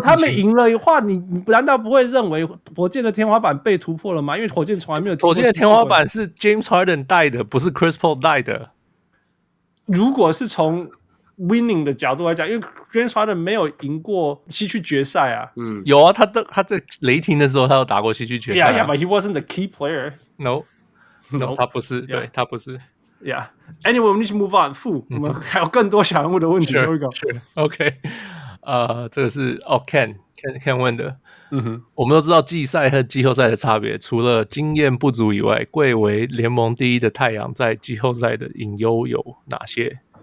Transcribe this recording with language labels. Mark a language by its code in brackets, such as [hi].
[zh] 如果他们赢了的话，你难道不会认为火箭的天花板被突破了吗？因为火箭从来没有突破。火箭的天花板是 James Harden 带的，不是 Chris Paul 带的。如果是从 winning 的角度来讲，因为 James Harden 没有赢过西区决赛啊，有啊，他在雷霆的时候他有打过西区决赛，啊， [en] yeah, but he wasn't the key player. [zh] No, 他不是， [en] yeah. [zh] 对，他不是。 [en] Yeah. Anyway, we need to move on. [zh] 负，我们还有更多想问的问题。 [en] Sure, sure. OK. [zh] 这个是Ken 问的。我们都知道季赛和季后赛的差别，除了经验不足以外，贵为联盟第一的太阳在季后赛的隐忧有哪些？